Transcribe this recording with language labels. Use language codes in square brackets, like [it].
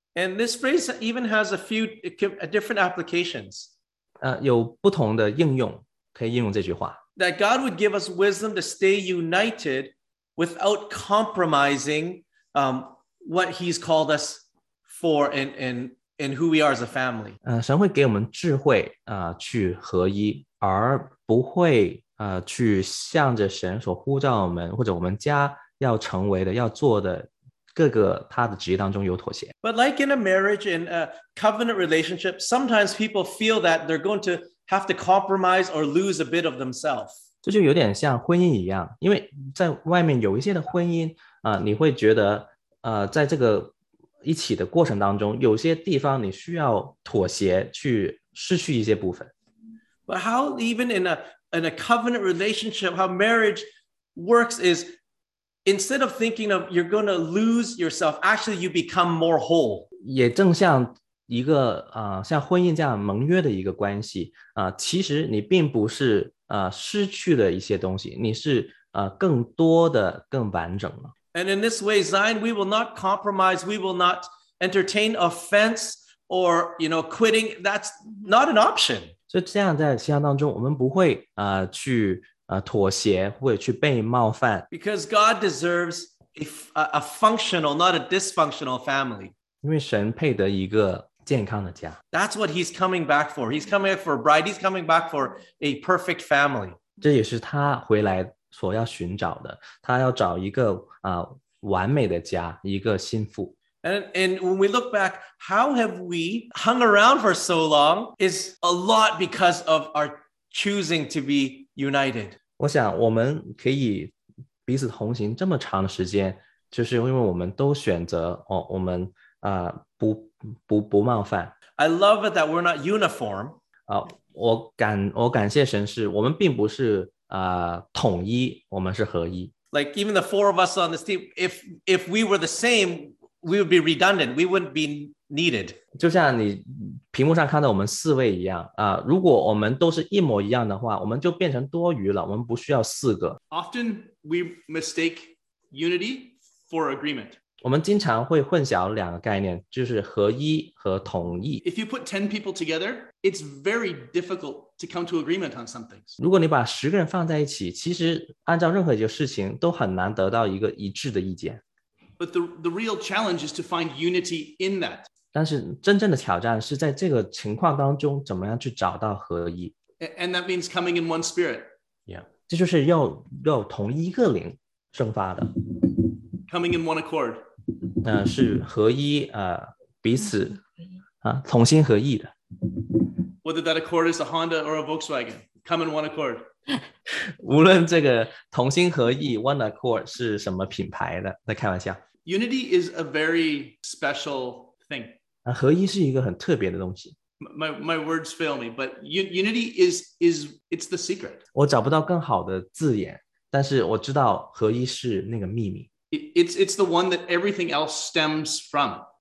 [en] And this phrase even has a few different applications. [zh] 有不同的应用，可以应用这句话。 [en] That God would give us wisdom to stay united without compromising what he's called us for in, in, and who we are as a family. [zh] 神会给我们智慧去合一，而不会去向着神所呼召我们，或者我们家要成为的，要做的各个他的职业当中有妥协。 [en] But like in a marriage, in a covenant relationship, sometimes people feel that they're going to have to compromise or lose a bit of themselves. [zh] 这就有点像婚姻一样，因为在外面有一些的婚姻你会觉得在这个一起的过程当中，有些地方你需要妥协，去失去一些部分。 [en] But how even in a covenant relationship, how marriage works is instead of thinking of you're going to lose yourself, actually you become more whole. [zh] 也正像一个像婚姻这样盟约的一个关系其实你并不是失去了一些东西，你是更多的更完整了。 [en] And in this way, Zion, we will not compromise. We will not entertain offense or, you know, quitting. That's not an option. [zh] 所以这样在信仰当中，我们不会去妥协，或者去被冒犯。 [en] Because God deserves a functional, not a dysfunctional family. [zh] 因为神配得一个健康的家。 [en] That's what he's coming back for. He's coming back for a bride. He's coming back for a perfect family. [zh] 这也是他回来所要寻找的，他要找一个完美的家，一个心腹。 [en] And when we look back, how have we hung around for so long is a lot because of our choosing to be united. [zh] 我想我们可以彼此同行这么长的时间，就是因为我们都选择我们不冒犯。 [en] I love it that we're not uniform. [zh] 我感谢神是我们并不是统一，我们是合一。 [en] Like even the four of us on this team, if we were the same, we would be redundant. We wouldn't be needed. [zh] 就像你屏幕上看到我们四位一样如果我们都是一模一样的话，我们就变成多余了，我们不需要四个。 [en] Often we mistake unity for agreement. [zh] 我们经常会混淆两个概念，就是合一和统一。 [en] If you put 10 people together, it's very difficult. To come to agreement on some things. [zh] 如果你把十个人放在一起，其实按照任何一个事情都很难得到一个一致的意见。 [en] But the real challenge is to find unity in that. [zh] 但是真正的挑战是在这个情况当中怎么样去找到合一。 [en] And that means coming in one spirit. Yeah. [zh] 这就是要同一个灵生发的。 [en] Coming in one accord. [zh] 是合一彼此同心合意的。 [en] Whether that accord is a Honda or a Volkswagen, come in one accord. [zh] 无论这个同心合意 [en] one accord [zh] 是什么品牌的，在开玩笑。 [en] Unity is a very special thing. [zh] 合一是一个很特别的东西。 [en] My words fail me, but unity is it's the secret. [zh] 我找不到更好的字眼，但是我知道合一是那个秘密。 [en] It's the one that everything else stems from.